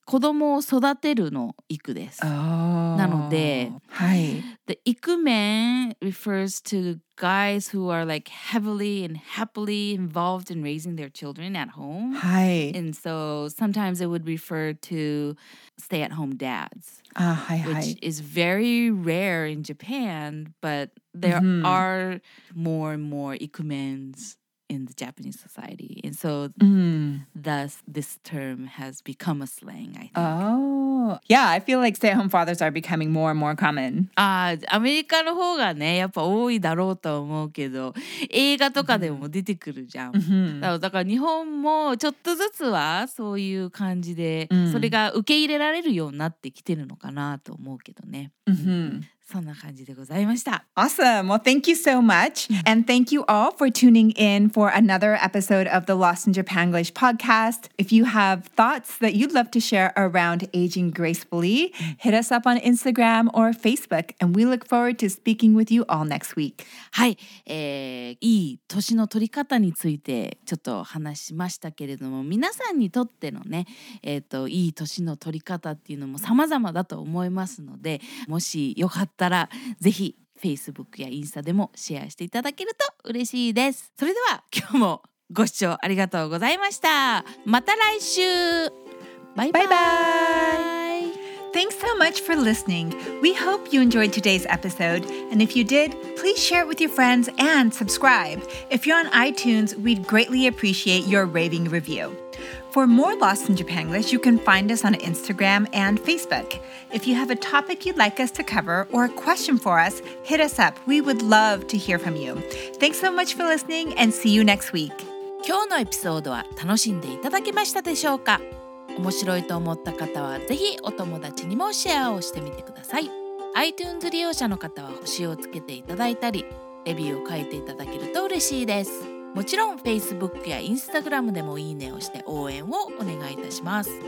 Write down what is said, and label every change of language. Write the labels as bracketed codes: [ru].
[ja] 子供を育てるの育です。 Oh, なので、はい、 [en] the ikumen refers to guys who are like heavily and happily involved in raising their children at home. [ja] はい。 [en] And so sometimes it would refer to stay-at-home dads. [ja] Ah, はいはい。 [en] Which is very rare in Japan, but there、mm-hmm. are more and more ikumens. In the Japanese society. And so、 mm. thus this term has become a slang, I think. Oh. Yeah, I feel like stay-at-home fathers are becoming more and more common. [ja] Ah, アメリカの方がね、やっぱ多いだろうと思うけど、映画とかでも出てくるじゃん。 Mm-hmm. だから日本もちょっとずつはそういう感じで、それが受け入れられるようになってきてるのかなと思うけどね。 Mm-hmm. そんな感じでございました。 [en] Awesome! Well, thank you so much. And thank you all for tuning in for another episode of the Lost in Japanglish podcast. If you have thoughts that you'd love to share around aging gracefully, hit us up on Instagram or Facebook. And we look forward to speaking with you all next week. [ja] はい、いい年の取り方についてちょっと話しましたけれども、皆さんにとってのね、いい年の取り方っていうのも様々だと思いますので、もしよかったらぜひ Facebook やインスタでもシェアしていただけると嬉しいです。それでは今日もご視聴ありがとうございました。また来週。バイバイ。バイバイ。 [en] Thanks so much for listening. We hope you enjoyed today's episode. And if you did, please share it with your friends and subscribe. If you're on iTunes, we'd greatly appreciate your raving review. For more Lost in Japanglish, you can find us on Instagram and Facebook. If you have a topic you'd like us to cover or a question for us, hit us up. We would love to hear from you. Thanks so much for listening and see you next week. [ja] 今日のエピソードは楽しんでいただけましたでしょうか?面白いと思った方はぜひお友達にもシェアをしてみてください。 iTunes 利用者の方は星をつけていただいたりレビューを書いていただけると嬉しいです。もちろん Facebook や Instagram でもいいねをして応援をお願いいたします。